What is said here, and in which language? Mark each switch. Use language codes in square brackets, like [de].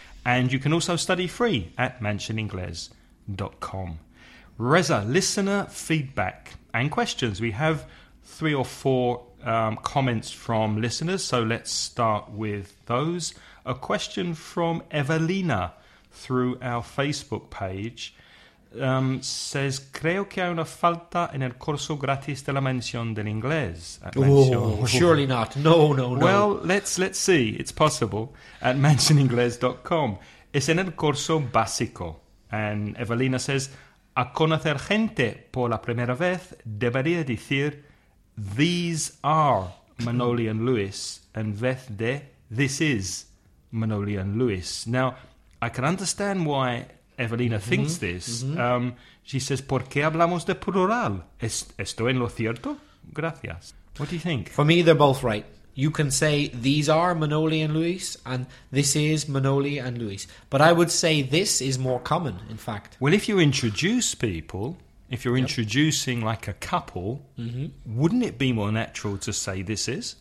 [en] And you can also study free at mansioningles.com. Reza, listener feedback and questions. We have three or four comments from listeners, so let's start with those. A question from Evelina through our Facebook page. Says, [es] creo que hay una falta en el curso gratis de la mención del inglés. [en] Surely not. No. Well, let's see. It's possible at mansioningles.com. [es] Es en el curso básico. [en] And Evelina says, [es] a conocer gente por la primera vez debería decir, [en] these are Manoli and Luis, [es] en vez de, [en] this is Manoli and Luis. Now, I can understand why Evelina thinks this. Mm-hmm. She says, [es] ¿por qué hablamos de plural? ¿Estoy en lo cierto? Gracias. [en] What do you think? For me, they're both right. You can say, these are Manoli and Luis, and this is Manoli and Luis. But I would say this is more common, in fact. Well, if you introduce people, if you're introducing like a couple, wouldn't it be more natural to say this is?